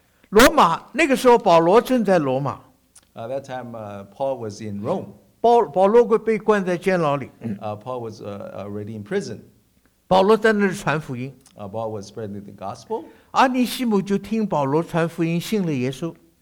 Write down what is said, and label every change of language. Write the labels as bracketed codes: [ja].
[zh] 罗马那个时候保罗正在罗马。 [en] That time, Paul was in Rome. [zh] 保罗被关在监牢里。 [en] Paul was already in prison. [zh] 保罗在那里传福音。 [en] Paul was spreading the gospel. [zh] 阿尼西姆就听保罗传福音，信了耶稣。